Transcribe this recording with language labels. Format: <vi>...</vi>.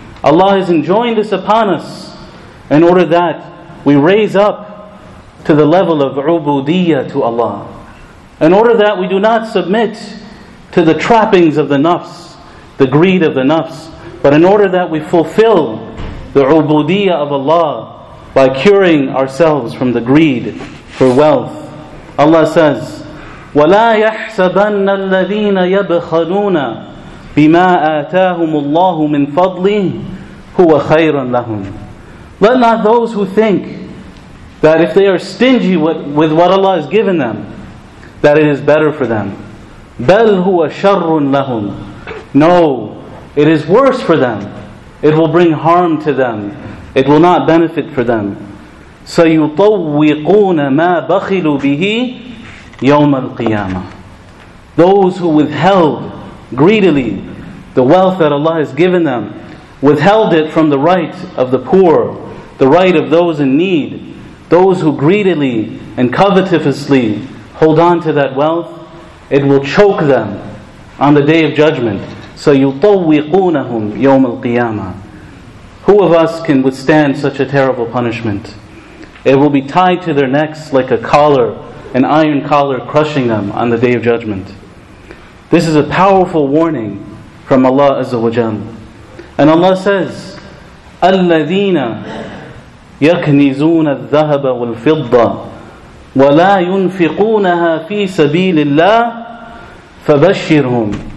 <en>Allah has enjoined this upon us in order that we raise up to the level of ubudiyyah to Allah. In order that we do not submit to the trappings of the nafs, the greed of the nafs, but in order that we fulfill the ubudiyyah of Allah by curing ourselves from the greed for wealth.</en> <ar>Allah says, وَلَا يَحْسَبَنَّ الَّذِينَ يَبْخَلُونَ بِمَا آتَاهُمُ اللَّهُ مِنْ فَضْلِهِ هُوَ خَيْرًا لَهُمْ.</ar> <en>Let not those who think that if they are stingy with what Allah has given them, that it is better for them.</en> <ar>بَلْ هُوَ شَرٌ لَهُمْ.</ar> <en>No, it is worse for them. It will bring harm to them. It will not benefit for them.</en> <ar>سَيُطَوِّقُونَ مَا بَخِلُوا بِهِ يَوْمَ الْقِيَامَةِ.</ar> <en>Those who withheld greedily the wealth that Allah has given them, withheld it from the right of the poor, the right of those in need, those who greedily and covetously hold on to that wealth, it will choke them on the Day of Judgment.</en> <ar>So يُطَوِّقُونَهُمْ يَوْمَ الْقِيَامَةِ.</ar> <en>Who of us can withstand such a terrible punishment? It will be tied to their necks like a collar, an iron collar, crushing them on the Day of Judgment. This is a powerful warning from Allah Azza wa Jal. And Allah says,</en> <ar>الذين يكنزون الذهب والفضة ولا ينفقونها في سبيل الله فبشرهم.</ar>